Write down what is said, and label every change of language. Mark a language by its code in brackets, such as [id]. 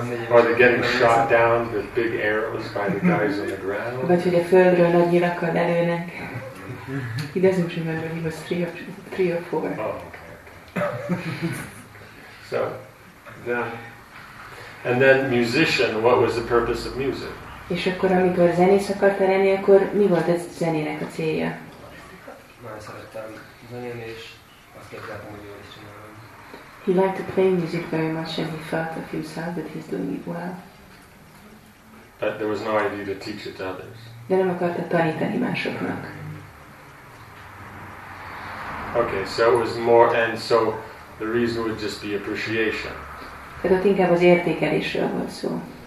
[en] or the getting shot down with big arrows by the guys on the ground? [hu] But hogy a földről nagy nyilakkal lelőnek. [en] He doesn't remember. He was three or four. Oh, okay. So, then, and then musician. What was the purpose of music? [hu] És akkor, amikor zenész akarta lenni, akkor mi volt ez a zenének a célja? Már szerettem zenélni, és azt képzeltem, hogy jól is csinálom. [en] He liked to play music very much, and he felt of himself that he's doing it well. But there was no idea to teach it to others. [hu] De nem akarta tanítani másoknak. [en] Okay, so it was more, and so the reason would just be appreciation. [hu] Tehát ott inkább az értékelésről volt szó.